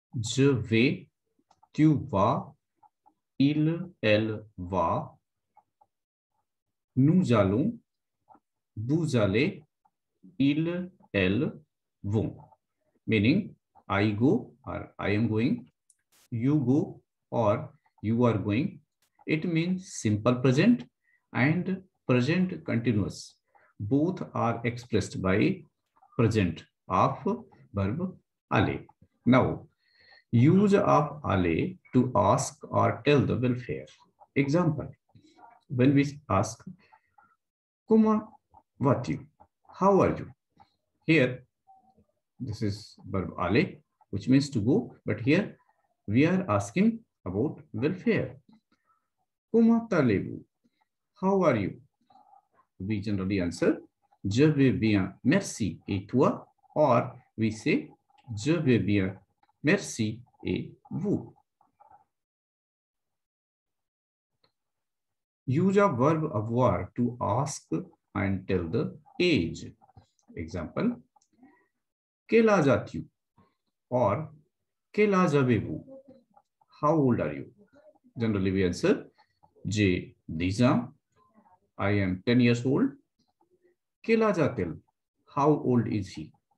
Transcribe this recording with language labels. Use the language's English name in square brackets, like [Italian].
[French] Je vais, tu vas, il, elle va, nous allons, vous allez, ils, elles vont. [English] Meaning, I go or I am going, you go or you are going. It means simple present and present continuous. Both are expressed by present of verb aller. Now, use of aller to ask or tell the welfare. Example, when we ask, [French] comment vas-tu? [English] How are you? Here, this is verb aller, which means to go, but here we are asking about welfare. [French] Comment allez-vous? [English] How are you? We generally answer, [French] je vais bien, merci, et toi? [English] Or we say, [French] je vais bien, merci, et vous? [English] Use a verb avoir to ask and tell the age. Example, [French] quel âge as-tu? [English] Or [French] quel âge avez-vous? [English] How old are you? Generally we answer, [French] je dix ans, [English] I am 10 years old. [French] Quel âge a-t-il? [English] How old is he?